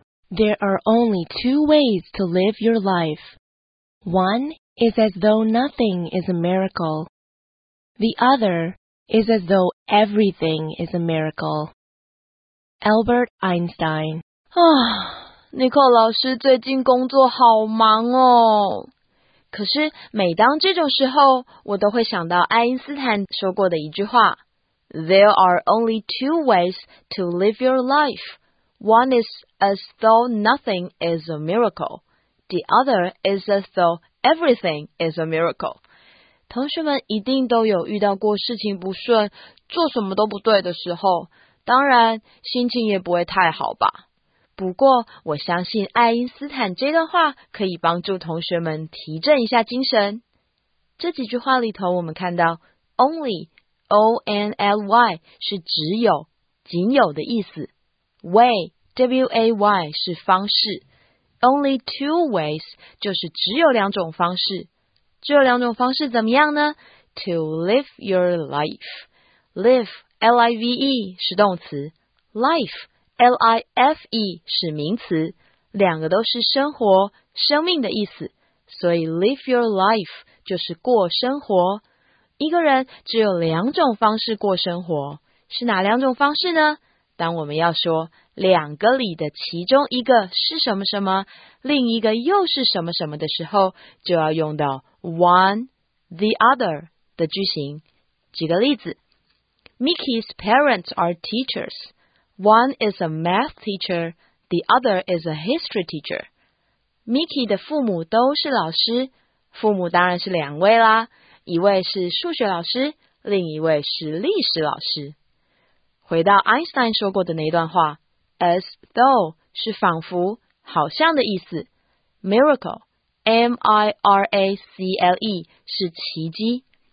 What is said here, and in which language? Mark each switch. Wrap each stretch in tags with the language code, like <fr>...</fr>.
<en>There are only two ways to live your life. One is as though nothing is a miracle. The other is as though everything is a miracle. Albert Einstein.</en> <zh>啊 ，Nicole 老师最近工作好忙哦。可是每当这种时候，我都会想到爱因斯坦说过的一句话。</zh> <en>There are only two ways to live your life. One is as though nothing is a miracle. The other is as though everything is a miracle.</en> <zh>同学们一定都有遇到过事情不顺，做什么都不对的时候，当然心情也不会太好吧。不过我相信爱因斯坦这段话可以帮助同学们提振一下精神。这几句话里头我们看到 only,O-N-L-Y 是只有、仅有的意思。 Way, W-A-Y 是方式。</zh> <en>Only two ways</en> <zh>就是只有两种方式。这两种方式怎么样呢 ？</zh> <en>To live your life.</en> <zh>Live, L-I-V-E 是动词。 Life, L-I-F-E 是名词。两个都是生活、生命的意思。所以</zh> <en>live your life</en> <zh>就是过生活。一个人只有两种方式过生活，是哪两种方式呢？当我们要说两个里的其中一个是什么什么，另一个又是什么什么的时候，就要用到</zh> <en>one, the other</en> <zh>的句型。举个例子</zh> <en>，Mickey's parents are teachers. One is a math teacher, the other is a history teacher.</en> <zh>Mickey 的父母都是老师，父母当然是两位啦。一位是数学老师，另一位是历史老师。回到 Einstein 说过的那段话 ，as though 是仿佛、好像的意思 ，miracle，M-I-R-A-C-L-E 是奇迹。</zh>